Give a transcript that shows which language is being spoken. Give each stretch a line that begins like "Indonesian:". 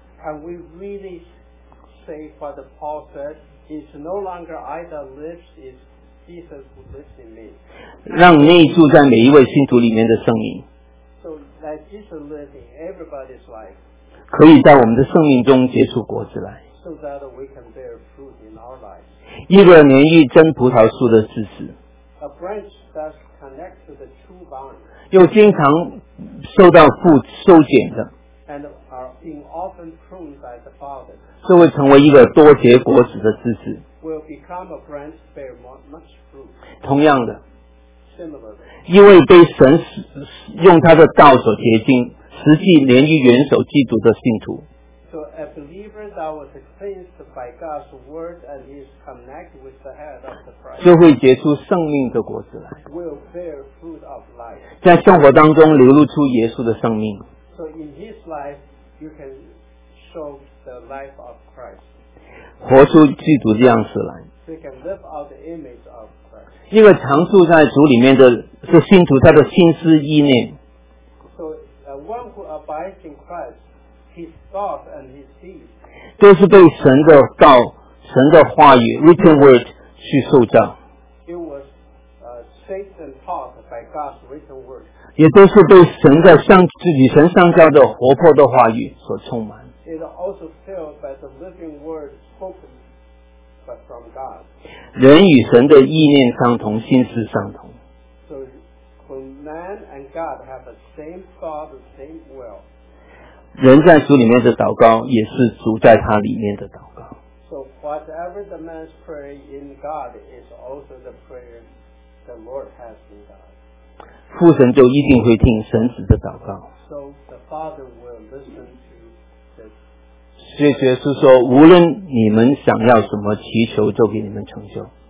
English: Can we really say what Paul said It's no longer I that lives It'sJesus lives in me.
Chinese: 让内住在每一位信徒里面的圣灵
English: so that Jesus lives in everybody's life,
Chinese: 可以在我们的生命中结出果子来
English: so that we can bear fruit in our life.
Chinese: 一个连于真葡萄树的枝子
English: a branch that connects to the true vine,
Chinese: 又经常受到父修剪的
English: and are being often pruned by the Father,
Chinese: 就会成为一个多结果子的枝子
English: Will become a branch bear much fruit.
Chinese: 同样的
English: Similarly,
Chinese: 因为被神用他的道所洁净实际连于元首基督的信徒
English: So a believer that was cleansed by God's word and is connected with the head of the Christ
Chinese: 就会结出生命的果子来
English: Will bear fruit of life
Chinese: 在生活当中流露出耶稣的生命
English: So in his life you can show the life of Christ
Chinese: 活出基督的样式来
English: They can live out the image of Christ.
Chinese: 因为常住在主里面的是信徒他的心思意念
English: so, one who abides in Christ, his thoughts and his deeds,
Chinese: 都是被神的道神的话语
English: written word
Chinese: 去塑造
English: It was, Satan taught by God's written word.
Chinese: 也都是被神的上自己神上交的活泼的话语所充满
English: It is also filled by the living wordBut from God.
Chinese: 人与神的意念相同心思相同
English: so when man and God have the same thought the same will
Chinese: 人在主里面的祷告也是主在他里面的祷告
English: so whatever the man's prayer in God is also the prayer the Lord has in God
Chinese: 父神就一定会听神子的祷告
English: so the Father will listen to
Chinese: 所以耶稣说无论你们想要什么祈求就给你们成就